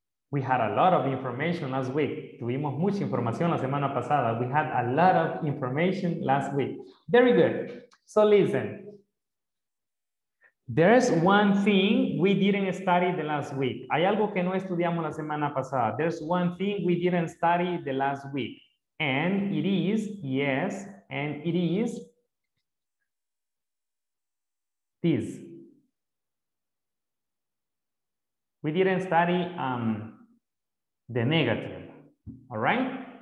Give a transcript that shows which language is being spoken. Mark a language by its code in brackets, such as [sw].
[en] We had a lot of information last week. [es] Tuvimos mucha información la semana pasada. [en] We had a lot of information last week. Very good. So listen. There's one thing we didn't study the last week. [es] Hay algo que no estudiamos la semana pasada. [en] There's one thing we didn't study the last week. And it is, yes, and it is this. We didn't study the negative, all right?